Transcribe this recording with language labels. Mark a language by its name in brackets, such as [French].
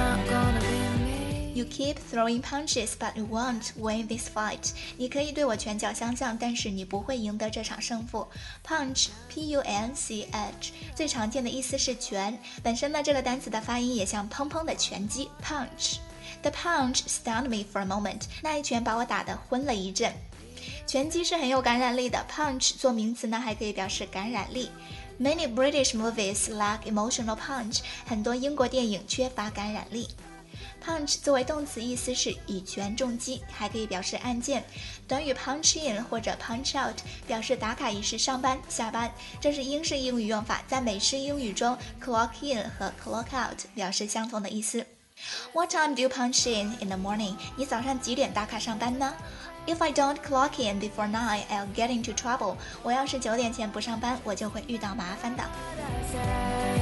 [English] You keep throwing punches, but you won't win this fight. [Chinese] 你可以对我拳脚相向，但是你不会赢得这场胜负。 Punch, P-U-N-C-H, 最常见的意思是拳。本身呢，这个单词的发音也像砰砰的拳击。 [English] Punch. The punch stunned me for a moment. [Chinese] 那一拳把我打得昏了一阵。拳击是很有感染力的。Punch 做名词呢，还可以表示感染力。 [English] Many British movies lack emotional punch. [Chinese] 很多英国电影缺乏感染力。 Punch 作为动词意思是以拳重击，还可以表示按键。短语 punch in 或者 punch out 表示打卡仪式上班、下班。这是英式英语用法，在美式英语中 clock in 和 clock out 表示相同的意思。 [English] What time do you punch in the morning? [Chinese] 你早上几点打卡上班呢？ [English] If I don't clock in before 9, I'll get into trouble. [Chinese] 我要是九点前不上班，我就会遇到麻烦的。